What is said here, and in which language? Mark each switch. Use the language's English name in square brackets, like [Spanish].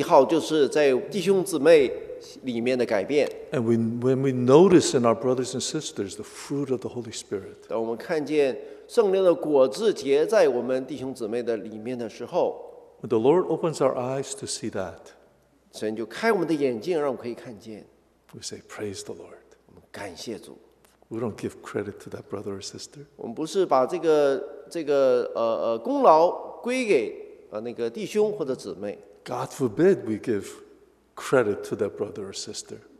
[Chinese] 在最大的恩典的记号就是在弟兄姊妹里面的改变。 [English] And when we notice in our brothers and sisters the fruit of the Holy Spirit, [Chinese] 当我们看见圣灵的果子结在我们弟兄姊妹的里面的时候, [English] when the Lord opens our eyes to see that, [Chinese] 神就开我们的眼睛让我们可以看见。 [English] We say, praise the Lord. [Chinese] 我们感谢主。 [English] We don't give credit to that brother or sister. [Chinese] 我们不是把这个功劳归给那个弟兄或者姊妹。 [English] God forbid we give credit to that brother or sister.